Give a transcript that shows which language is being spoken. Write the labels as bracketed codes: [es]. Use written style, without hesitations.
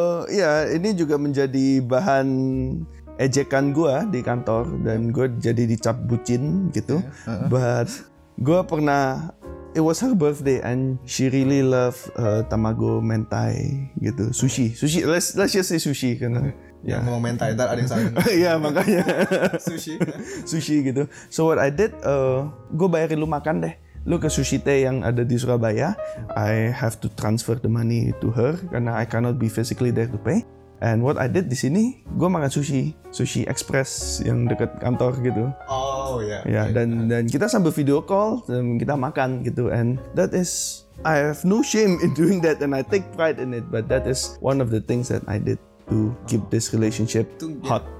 [id] Ini juga menjadi bahan ejekan gue di kantor dan gue jadi dicap bucin gitu. [en] But [id] gue pernah, [en] it was her birthday and she really loved tamago mentai [id] gitu, [en] sushi. Let's just say sushi [id] karena yang ngomong mentai, ntar ada yang salah. Iya, makanya sushi sushi gitu. [en] So what I did, [id] gue bayarin lu makan deh, lu ke sushi teh yang ada di Surabaya. [en] I have to transfer the money to her [id] karena [en] I cannot be physically there to pay. And what I did [id] di sini, gue makan sushi express yang dekat kantor gitu. [en] Oh yeah. [id] Yeah, dan kita sambil video call dan kita makan gitu. [en] And that is, I have no shame in doing that and I take pride in it. But that is one of the things that I did to keep this relationship hot.